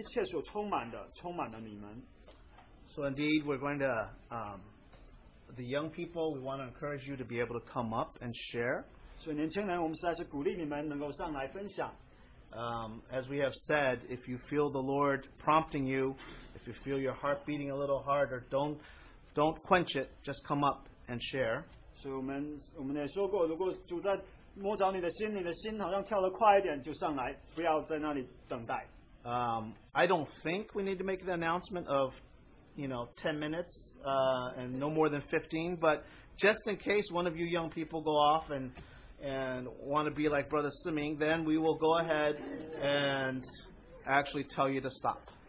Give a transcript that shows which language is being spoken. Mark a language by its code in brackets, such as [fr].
[zh] 以弗所书三章十六节起，求他按着他丰盛的荣耀，借着他的灵，叫你们心里的力量刚强起来，使基督因你们的信住在你们心里，叫你们的爱心有根有基，能以合众基圣徒一同明白基督的爱是何等长阔高深，并知道这爱是过于人所能测度的，便叫神一切所充满的充满了你们。 [en] So indeed, we're going to the young people. We want to encourage you to be able to come up and share. [zh] 所以年轻人，我们实在是鼓励你们能够上来分享。 [en] As we have said, if you feel the Lord prompting you, if you feel your heart beating a little harder, don't quench it. Just come up and share. [zh] 所以我们也说过，如果主在摸着你的心，你的心好像跳得快一点，就上来，不要在那里等待。 [en] I don't think we need to make the announcement of, you know, 10 minutes and no more than 15, but just in case one of you young people go off and want to be like Brother Siming, then we will go ahead and actually tell you to stop.